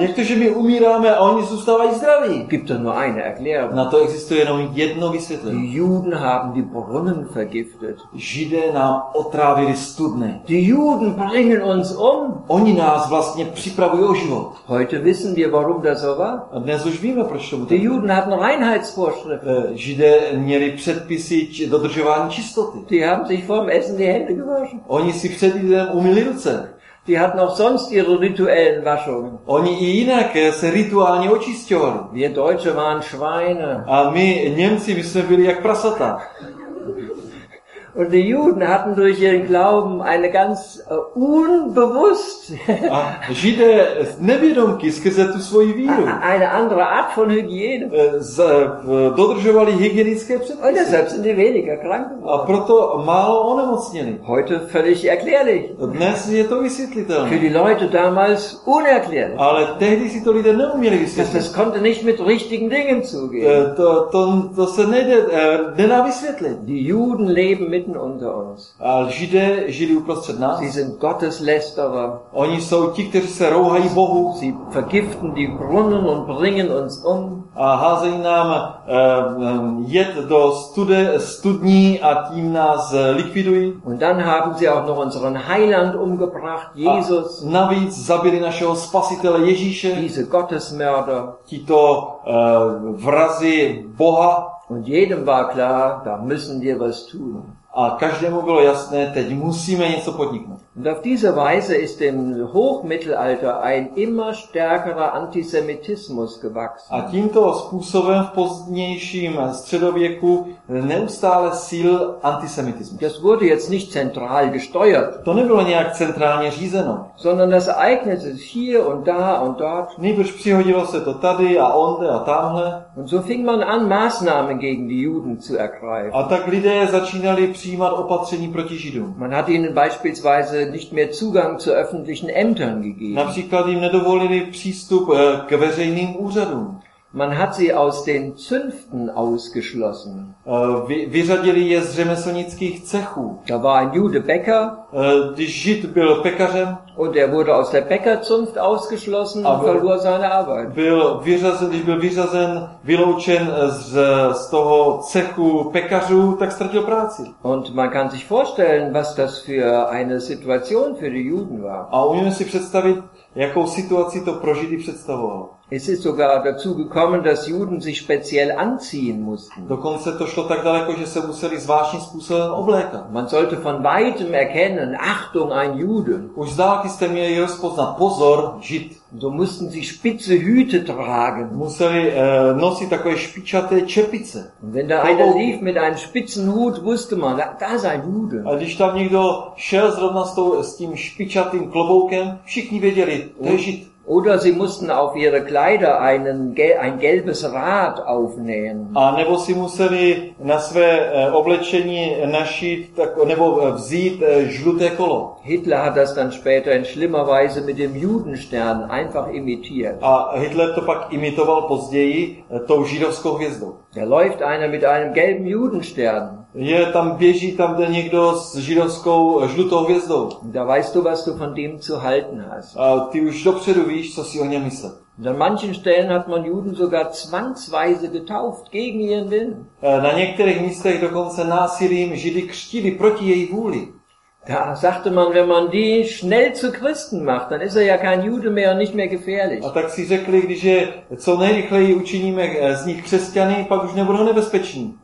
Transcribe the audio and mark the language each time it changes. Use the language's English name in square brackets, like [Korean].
[Czech] Jak to, že my umíráme a oni zůstávají zdraví? [German] Gibt doch nur eine Erklärung. [Czech] Na to existuje jenom jedno vysvětlení. [German] Die Juden haben die Brunnen vergiftet. [Czech] Židé nám otrávili studny. [German] Die Juden bringen uns um. [Czech] Oni nás vlastně připravují o život. [German] Heute wissen wir, warum das so war. [Czech] A dnes už víme, proč tomu tak. [German] Die Juden hatten Reinheitsvorschriften. [Czech] Židé měli předpisy dodržování čistoty. [German] Die haben sich vorm Essen die Hände gewaschen. [Czech] Oni si před jídlem umyli ruce. [German] Die hatten auch sonst ihre rituellen Waschungen. [Czech] Oni i jinak se rituálně očisťovali. [German] Wir Deutsche waren Schweine. [Czech] A my Němci, my jsme byli jak prasata. [German] Und die Juden hatten durch ihren Glauben eine ganz unbewusst [Czech] a Židé nevědomky skrze tu svoji víru [German] eine andere Art von Hygiene [Czech] dodržovali hygienické předpisy. [German] Und deshalb sind die weniger krank geworden. [Czech] A proto málo onemocněli. [German] Heute völlig erklärlich. [Czech] Dnes je to vysvětlitelné. [German] Für die Leute damals unerklärlich. [Czech] Ale tehdy si to lidé neuměli vysvětlit. [German] Das konnte nicht mit richtigen Dingen zugehen. [Czech] To se nedá vysvětlit. [German] Die Juden leben mitten unter uns. [Czech] A Židé žili uprostřed nás. [German] Sie sind Gotteslästerer. [Czech] Oni jsou ti, kteří se rouhají Bohu. [German] Sie vergiften die Brunnen und bringen uns um. [Czech] A házejí nám jed do studní a tím nás likvidují. [German] Und dann haben sie auch noch unseren Heiland umgebracht, Jesus. [Czech] A navíc zabili našeho spasitele Ježíše. [German] Diese Gottesmörder. [Czech] Tito vrazi Boha. [German] Und jedem war klar, da müssen wir was tun. [Czech] A každému bylo jasné, teď musíme něco podniknout. [German] Und auf diese Weise ist im Hochmittelalter ein immer stärkerer Antisemitismus gewachsen. [Czech] A tímto způsobem v pozdnějším středověku neustále síl antisemitismus. [German] Das wurde jetzt nicht zentral gesteuert. [Czech] To nebylo nějak centrálně řízeno. [German] Sondern das ereignete sich hier und da und dort. [Czech] Nýbrž přihodilo se to tady a onde a tamhle. [German] Und so fing man an, Maßnahmen gegen die Juden zu ergreifen. [Czech] A tak lidé začínali přijímat opatření proti Židům. [German] Man hat ihnen beispielsweise nicht mehr Zugang zu öffentlichen Ämtern gegeben. [Czech] Například jim nedovolili přístup k veřejným úřadům. [German] Man hat sie aus den Zünften ausgeschlossen. [Czech] Vyřadili je z řemeslnických cechů. [German] Da war ein Jude Bäcker. [Czech] Když Žid byl pekařem. [German] Und er wurde aus der Bäckerzunft ausgeschlossen und verlor seine Arbeit. [Czech] Byl vyřazen, vyloučen z toho cechu pekařů, tak ztratil práci. [German] Und man kann sich vorstellen, was das für eine Situation für die Juden war. [Czech] A umíme si představit, jakou situaci to pro Židy představovalo. [German] Es ist sogar dazu gekommen, dass Juden sich speziell anziehen mussten. [Czech] Dokonce to šlo tak daleko, že se museli zvláštním způsobem oblékat. [German] Man sollte von weitem erkennen, Achtung, ein Jude. [Czech] Už zdálky jste měli rozpoznat, pozor, Žid. [German] So mussten sie spitze Hüte tragen. [Czech] Museli nosit takové špičaté čepice. [German] Und wenn da einer lief mit einem spitzen Hut, wusste man, da ist ein Jude. [Czech] A když tam někdo šel zrovna s tím špičatým kloboukem, všichni věděli, to je Žid. [German] Oder sie mussten auf ihre Kleider ein gelbes Rad aufnähen. [Czech] A nebo si museli na své oblečení našít nebo vzít žluté kolo. [German] Hitler hat das dann später in schlimmer Weise mit dem Judenstern einfach imitiert. [Czech] A Hitler to pak imitoval později tou židovskou hvězdou. [German] Da läuft einer mit einem gelben Judenstern. [Czech] Je tam běží tam jde někdo s židovskou žlutou hvězdou. [German] Da weißt du, was du von dem zu halten hast. [Czech] A ty už dopředu víš, co si o něm myslet. [German] Und an manchen Stellen hat man Juden sogar zwangsweise getauft gegen ihren Willen. [Czech] Na některých místech dokonce násilím Židy křtili proti její vůli. [German] Da sagte man, wenn man die schnell zu Christen macht, dann ist er ja kein Jude mehr und nicht mehr gefährlich. [Czech] A tak si řekli, když je co nejrychleji učiníme z nich křesťany, pak už nebudou nebezpeční.